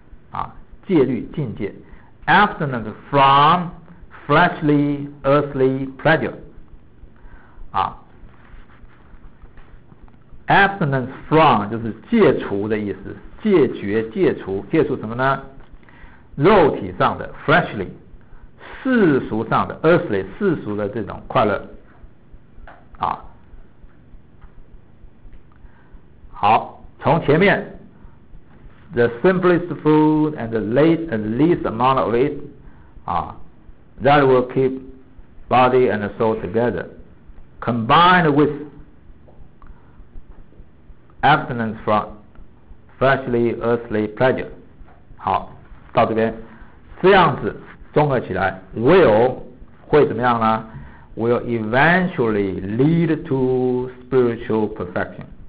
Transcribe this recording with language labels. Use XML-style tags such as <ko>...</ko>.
<zh>啊，戒律禁戒</zh> <en>abstinence from fleshly earthly pleasure</en> <zh>啊， abstinence from 就是戒除的意思，戒绝戒除，戒除什么呢？肉体上的 fleshly 世俗上的 earthly 世俗的这种快乐啊。好，从前面</zh> <en>the simplest food and the least amount of it 啊， that will keep body and soul together combined with abstinence from fleshly earthly pleasure。</en> <zh>好，到这边，这样子综合起来 ，will 会怎么样呢 ？</zh> <en>Will eventually lead to spiritual perfection。</en>